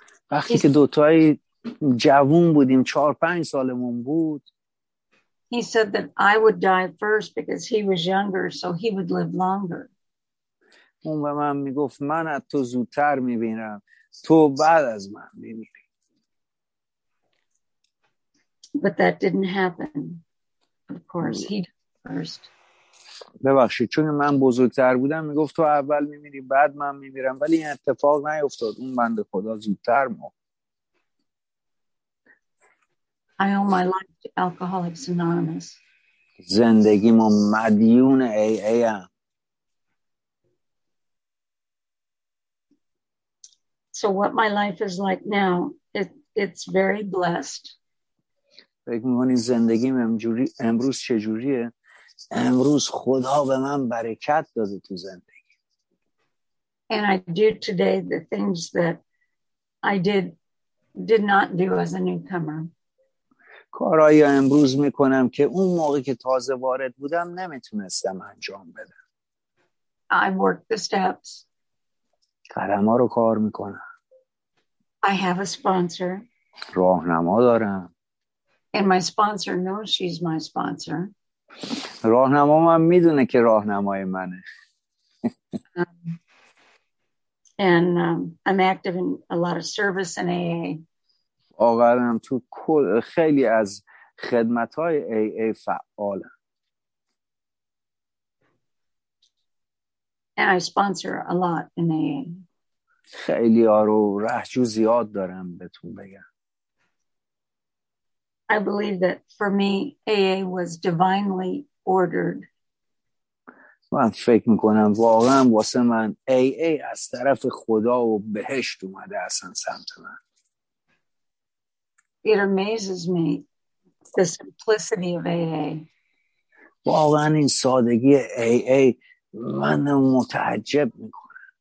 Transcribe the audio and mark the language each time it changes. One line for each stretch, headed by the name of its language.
Persian: وقتی که دوتای جوون بودیم 4-5 سالمون بود.
English: He said that I would die first because he was younger, so he would live longer.
Persian: اون به من میگفت من از تو زودتر میبینم، تو بعد از من میمیری.
English: But that didn't happen. Of course, he died first.
Persian: ببخشید چون من بزرگتر بودم میگفت تو اول میمیری بعد من میمیرم، ولی این اتفاق نیفتاد. اون بنده خدا زودتر مرد.
English: I owe my life to Alcoholics Anonymous.
Persian: زندگیمو مدیون AA ام.
English: So what my life is like now, it's very blessed.
Persian: فکر می‌کنی زندگیم امروز چجوریه؟ امروز خدا به من برکت داده تو زندگی.
English: And I do today the things that I did not do as a newcomer.
Persian: کارهای امروز میکنم که اون موقعی که تازه وارد بودم نمیتونستم انجام بدم.
English: I work the steps.
Persian: قدم‌ها رو کار میکنم.
English: I have a sponsor.
Persian: راهنما دارم.
English: And my sponsor knows she's my sponsor.
Persian: راهنما من میدونه که راهنمای منه.
English: And I'm active in a lot of service in AA.
Persian: واقعا هم تو خیلی از خدمت های AA فعال هم.
English: And I sponsor a lot in AA.
Persian: خیلی ها رو رهجو زیاد دارم بهتون بگم.
English: I believe that for me, AA was divinely ordered.
Persian: من فکر میکنم واقعا واسه من AA از طرف خدا و بهشت اومده اصلا سمت من.
English: It amazes me, the simplicity of AA.
Persian: واقعا این سادگی AA من متعجب میکنم.